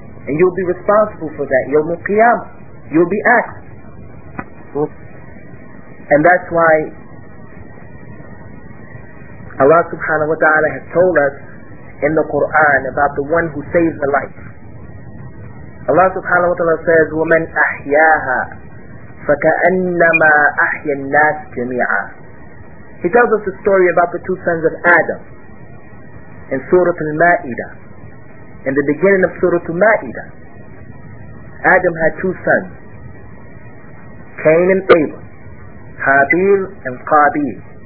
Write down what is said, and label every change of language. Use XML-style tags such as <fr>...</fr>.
<en>And you'll be responsible for that. Yawm al-Qiyamah. You'll be asked. And that's why Allah subhanahu wa ta'ala has told us in the Quran about the one who saves a life.</en> <ar>Allah subhanahu wa ta'ala says, وَمَنْ أَحْيَاهَا فَكَأَنَّمَا أَحْيَ النَّاسِ جَمِيعًا.</ar> <en>He tells us a story about the two sons of Adam in Surah Al-Ma'idah. In the beginning of Surah Al-Ma'idah, Adam had two sons, Cain and Abel, Habil and Qabil.</en>